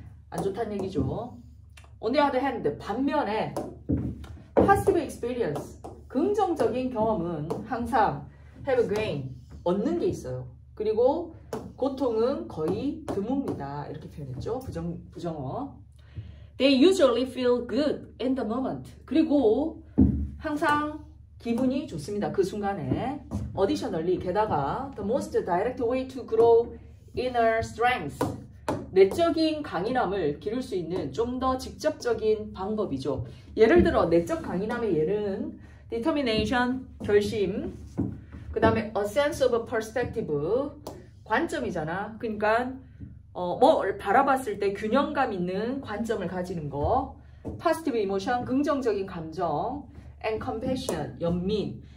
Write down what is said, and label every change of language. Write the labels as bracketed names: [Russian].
[Korean] 안 좋다는 얘기죠. [English] On the other hand, [Korean] 반면에 [English] positive experience, [Korean] 긍정적인 경험은 항상 [English] have a gain, [Korean] 얻는 게 있어요. 그리고 고통은 거의 드뭅니다. 이렇게 표현했죠. 부정어. [English] They usually feel good in the moment. [Korean] 그리고 항상 기분이 좋습니다. 그 순간에. [English] Additionally, [Korean] 게다가 [English] the most direct way to grow inner strength. [Korean] 내적인 강인함을 기를 수 있는 좀 더 직접적인 방법이죠. 예를 들어 내적 강인함의 예는 determination, 결심, 그 다음에 [English] a sense of perspective, [Korean] 관점이잖아. 그러니까 뭘 바라봤을 때 균형감 있는 관점을 가지는 거, [English] positive emotion, [Korean] 긍정적인 감정, [English] and compassion, [Korean] 연민.